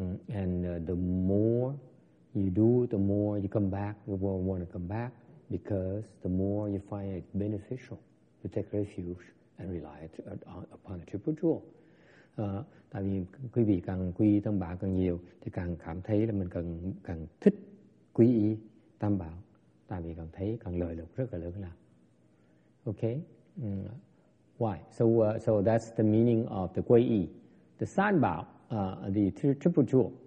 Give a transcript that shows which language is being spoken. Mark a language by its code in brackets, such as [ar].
[en] And the more you do, the more you come back, the more you want to come back, because the more you find it beneficial to take refuge and rely upon the triple jewel. [vi] Tại vì quý vị càng quy Tam Bảo càng nhiều thì càng cảm thấy là mình càng thích quy y Tam Bảo, tại vì còn thấy còn lợi lộc rất là lớn nào. [en] Okay, why? So so that's the meaning of the Quy Y, the San Bảo, the Triple Jewel.